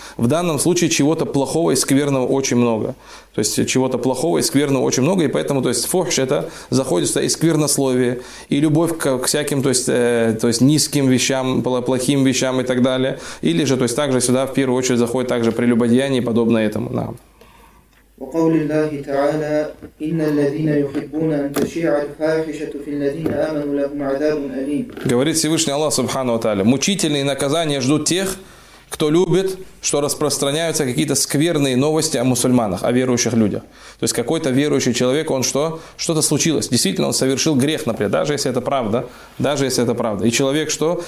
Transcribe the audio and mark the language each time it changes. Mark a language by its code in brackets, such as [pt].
[ru] В данном случае чего-то плохого и скверного очень много. То есть чего-то плохого и скверного очень много. И поэтому, то есть фухш, это заходится и сквернословие, и любовь к всяким, то есть низким вещам, плохим вещам и так далее. Или же, то есть также сюда в первую очередь заходит также прелюбодеяние, подобное этому. Да. [ar] وقول الله تعالى إن الذين يحبون أن تشيع الفاحشة في الذين آمنوا لهم عذاب أليم. [ru] Говорит Всевышний Аллах Субхана ва Тааля, мучительные наказания ждут тех, кто любит, что распространяются какие-то скверные новости о мусульманах, о верующих людях. То есть какой-то верующий человек, он что? Что-то случилось. Действительно, он совершил грех, например, даже если это правда. И человек что?